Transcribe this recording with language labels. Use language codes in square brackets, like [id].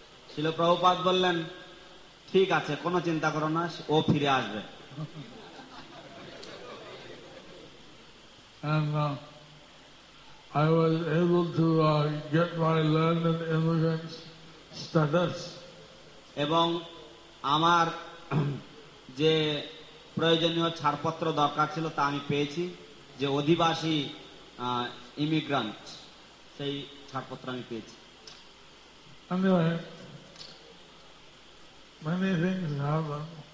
[bn] শ্রীল প্রভুপাদ বললেন ঠিক আছে কোনো চিন্তা করো না, ও ফিরে আসবে। [en] And I was able to get my learned immigrant status. [bn] এবং আমার যে প্রয়োজনীয় ছাড়পত্র দরকার ছিল তা আমি পেয়েছি, যে অধিবাসী ইমিগ্রান্ট সেই ছাড়পত্র আমি পেয়েছি। [en] Anyway, many things happened.